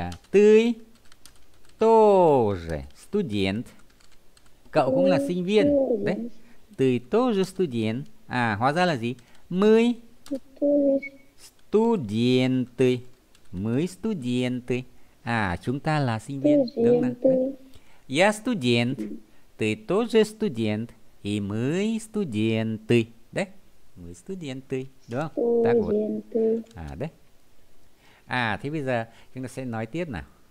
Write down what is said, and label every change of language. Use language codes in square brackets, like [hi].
[ru] Ты тоже студент, [vi] cậu cũng là sinh viên đấy. [ru] Ты тоже студент. [vi] Hóa ra là gì? [ru] Мы студенты, мы студенты. [vi] Chúng ta là sinh viên, đúng không? [ru] Я студент, ты тоже студент, и мы студенты. Đấy, мы студенты, [vi] đúng không? [ru] Так вот. Đấy. [vi] Thế bây giờ chúng ta sẽ nói tiếp nào.